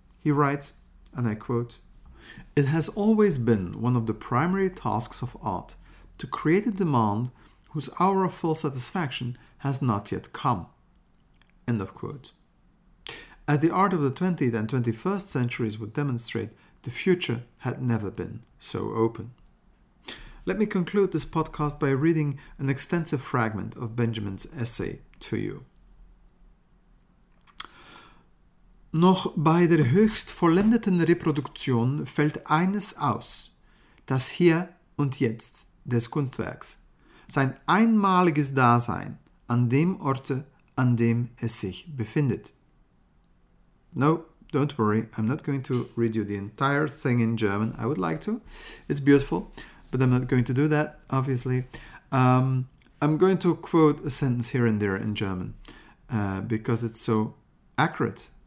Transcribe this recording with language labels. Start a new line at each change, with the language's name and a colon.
English: He writes, and I quote, "It has always been one of the primary tasks of art to create a demand whose hour of full satisfaction has not yet come." End of quote. As the art of the 20th and 21st centuries would demonstrate, the future had never been so open. Let me conclude this podcast by reading an extensive fragment of Benjamin's essay to you.
German: "Noch bei der höchst vollendeten Reproduktion fällt eines aus, das Hier und Jetzt des Kunstwerks, sein einmaliges Dasein an dem Orte, an dem es sich befindet."
English: No, don't worry, I'm not going to read you the entire thing in German. I would like to. It's beautiful, but I'm not going to do that, obviously. I'm going to quote a sentence here and there in German because it's so accurate.